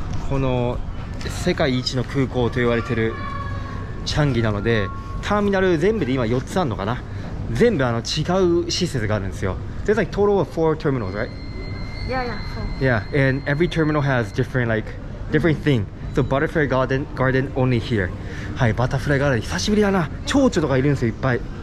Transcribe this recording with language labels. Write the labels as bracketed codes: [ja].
[ja] この世界一の空港と言われてるチャンギなので、ターミナル全部で今4つあるのかな、全部違う施設があるんですよ。 [en] There's like total of 4 terminals, right? Yeah, and every terminal has different like different thing. So butterfly garden only here. [ja] はい、バタフライガーデン久しぶりだな。蝶々とかいるんですよ、いっぱい。